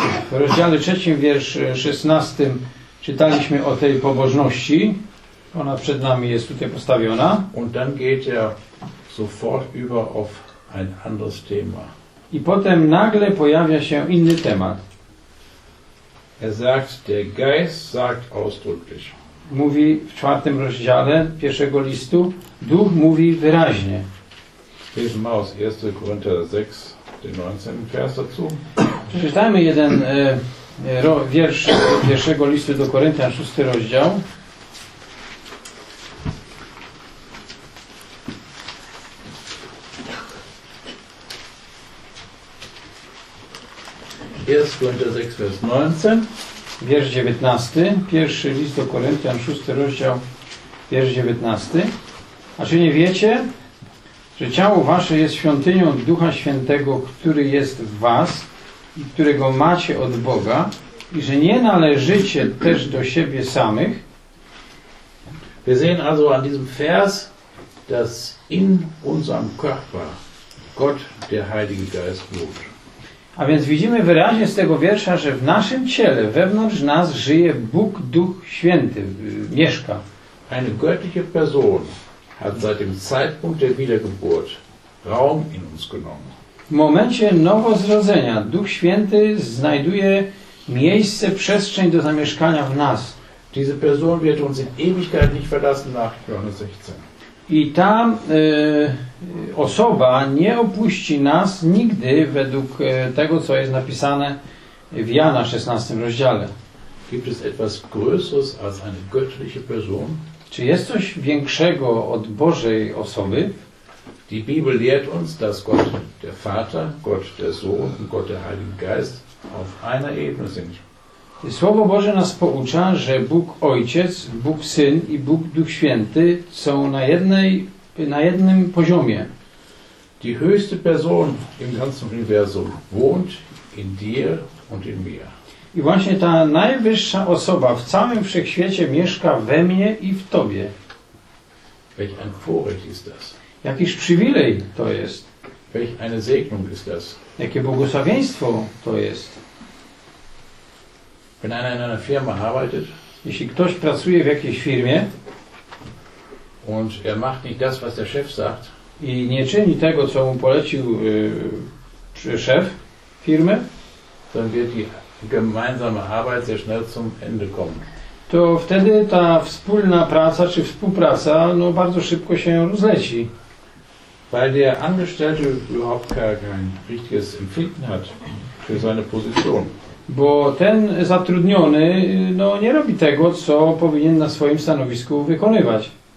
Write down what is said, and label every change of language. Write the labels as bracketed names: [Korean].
[Polish] W rozdziale 3, wiersz 16 czytaliśmy o tej pobożności. Ona przed nami jest tutaj postawiona. [German] Und dann geht er sofort über auf ein anderes Thema. [Polish] I potem nagle pojawia się inny temat. [German] Er sagt, der Geist sagt ausdrücklich. [Polish] Mówi w 4 rozdziale pierwszego listu, Duch mówi wyraźnie. [German] Lesen wir aus 1. Korinther 6, den 19. Vers dazu. [Polish] Przeczytajmy jeden wiersz pierwszego listu do Koryntian, 6 rozdział. [German] Jest Korinther 6, Vers 19. [Polish] Wiersz 19, pierwszy list do Koryntian, 6 rozdział, wiersz 19. A czy nie wiecie, że ciało wasze jest świątynią Ducha Świętego, który jest w was i którego macie od Boga, i że nie należycie też do siebie samych? [German] Wir sehen also an diesem Vers, dass in unserem Körper Gott, der Heilige Geist, wohnt. [Polish] A więc widzimy wyraźnie z tego wiersza, że w naszym ciele, wewnątrz nas żyje Bóg, Duch Święty, mieszka. [German] Eine göttliche Person hat seit dem Zeitpunkt der Wiedergeburt Raum in uns genommen. [Polish] W momencie nowozrodzenia Duch Święty znajduje miejsce, przestrzeń do zamieszkania w nas. [German] Diese Person wird uns in Ewigkeit nicht verlassen nach Johannes 16. [Polish] I ta osoba nie opuści nas nigdy według tego, co jest napisane w Jana 16 rozdziale. [German] Gibt es etwas größeres als eine göttliche Person? [Polish] Czy jest coś większego od Bożej osoby? [German] Die Bibel lehrt uns, dass Gott der Vater, Gott der Sohn und Gott der Heilige Geist auf einer Ebene sind. [Polish] Słowo Boże nas poucza, że Bóg Ojciec, Bóg Syn i Bóg Duch Święty są na jednym poziomie. [German] Die höchste Person im ganzen Universum wohnt in dir und in mir. [Polish] I właśnie ta najwyższa osoba w całym wszechświecie mieszka we mnie i w tobie. [German] Welch ein Vorrecht ist das? [Polish] Jakiż przywilej to jest? [German] Welch eine Segnung ist das? [Polish] Jakie błogosławieństwo to jest? [German] Wenn einer in einer Firma arbeitet, [Polish] jeśli ktoś pracuje w jakiejś firmie, [German] und er macht nicht das, was der Chef sagt, [Polish] i nie czyni tego, co mu polecił szef firmy, [German] dann wird die gemeinsame Arbeit sehr schnell zum Ende kommen. [Polish] To wtedy ta wspólna praca czy współpraca no bardzo szybko się rozleci. [German] Weil der Angestellte überhaupt kein richtiges Empfinden hat für seine Position. [Polish] Bo ten zatrudniony no, nie robi tego, co powinien na swoim stanowisku wykonywać.